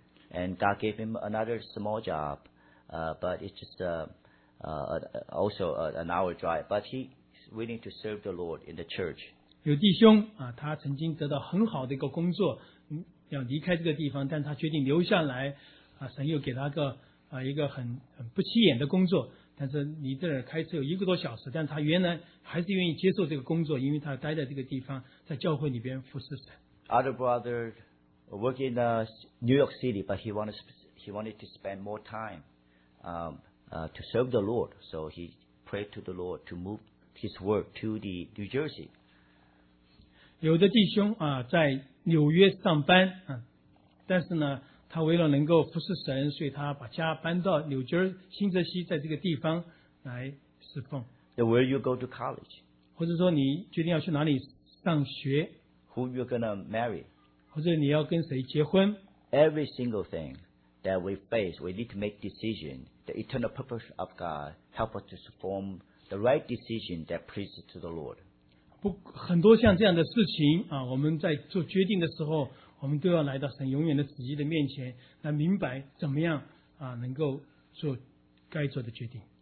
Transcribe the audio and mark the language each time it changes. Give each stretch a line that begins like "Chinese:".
English: And God gave him another small job, but it's just also an hour drive. But he's willing to serve the Lord in the church.
Chinese: 有弟兄他曾经得到很好的一个工作，要离开这个地方，但他决定留下来。神又给他个一个很不起眼的工作，但是离这儿开车有一个多小时，但他原来还是愿意接受这个工作，因为他待在这个地方，在教会里边服侍神。
English: Other brother. Work in New York City, but he wanted to spend more time to serve the Lord. So he prayed to the Lord to move his work to the New Jersey.
Chinese: 有的弟兄在纽约上班但是呢，他为了能够服侍神，所以他把家搬到纽约新泽西，在这个地方来侍奉。
English: Then where you go to college?
Chinese: 或者说你决定要去哪里上学
English: ？Who you're gonna marry?
Chinese: 或者你要跟谁结婚
English: ？Every single thing that we face, we need to make decision. The eternal purpose of God help us to form the right decision that pleases to the Lord.
Chinese: 不，很多像这样的事情我们在做决定的时候，我们都要来到神永远的旨意的面前，来明白怎么样能够做该做的决定。